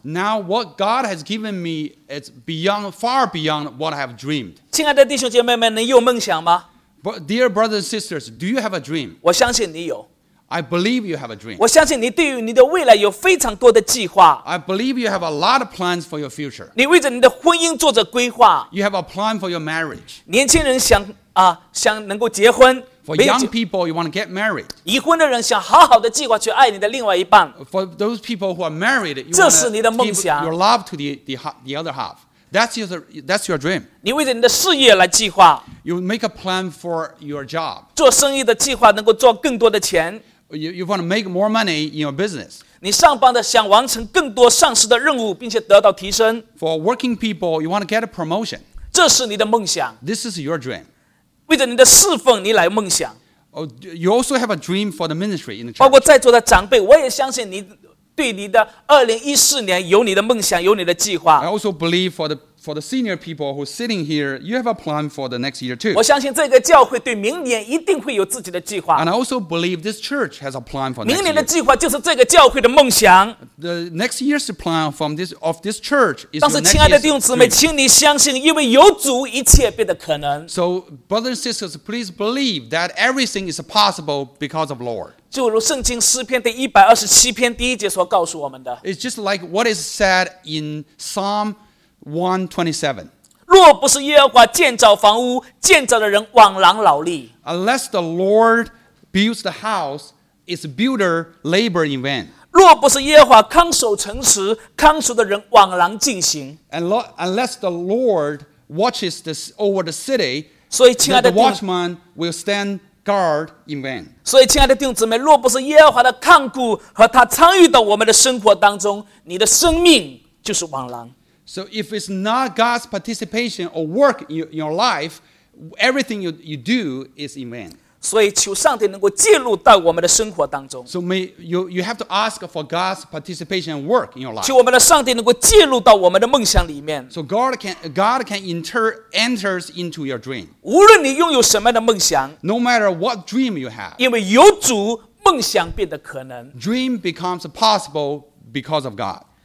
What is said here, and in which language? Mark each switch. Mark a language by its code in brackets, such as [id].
[en] Now what God has given me is beyond, far beyond what I have dreamed. [zh] 亲爱的弟兄姐妹们, 你有梦想吗? [en] But dear brothers and sisters, do you have a dream? [zh] 我相信你有。 [en] I believe you have a dream. [zh] 我相信你对于你的未来有非常多的计划。 [en] I believe you have a lot of plans for your future. [zh] 你为着你的婚姻做着规划。 [en] You have a plan for your marriage. [zh] 年轻人想能够结婚。 [en] For young people, you want to get married. [zh] 已婚的人想好好的计划去爱你的另外一半。 [en] For those people who are married, you want to give your love to the other half. That's your dream. [zh] 你为着你的事业来计划。 [en] You make a plan for your job. [zh] 做生意的计划能够赚更多的钱。 [en] You want to make more money in your business. [zh] 你上班的想完成更多上司的任务，并且得到提升。 [en] For working people, you want to get a promotion. [zh] 这是你的梦想。 [en] This is your dream. [zh] 为着你的侍奉，你来梦想。 [en] Oh, you also have a dream for the ministry in the church. [zh] 包括在座的长辈，我也相信你对你的2014年有你的梦想，有你的计划。 [en] I also believe for the senior people who are sitting here, you have a plan for the next year too. [zh] 我相信这个教会对明年一定会有自己的计划。 [en] And I also believe this church has a plan for next year. [zh] 明年的计划就是这个教会的梦想。 [en] The next year's plan of this church is. [zh] 但是，亲爱的弟兄姊妹，请你相信，因为有主，一切变得可能。 [en] So, brothers and sisters, please believe that everything is possible because of the Lord. [zh] 就如圣经诗篇第127篇第一节所告诉我们的。 [en] It's just like what is said in Psalm 127. [zh] 若不是耶和华建造房屋，建造的人枉然劳力。 [en] Unless the Lord builds the house, its builder labor in vain. [zh] 若不是耶和华看守城池，看守的人枉然进行。 [en] Unless the Lord watches this over the city, [zh] 所以亲爱的 [en] the watchman will stand. Guard in vain. [zh] 所以，亲爱的弟兄姊妹，若不是耶和华的看顾和他参与到我们的生活当中，你的生命就是枉然。 [en] So if it's not God's participation or work in your life, everything you do is in vain. [zh] 所以，求上帝能够介入到我们的生活当中。 [en] So may you have to ask for God's participation and work in your life. [zh] 求我们的上帝能够介入到我们的梦想里面。 [en] So God can enters into your dream. [zh] 无论你拥有什么样的梦想 [en] ，No matter what dream you have, [zh] 因为有主，梦想变得可能。 [en] Dream becomes possible because of God.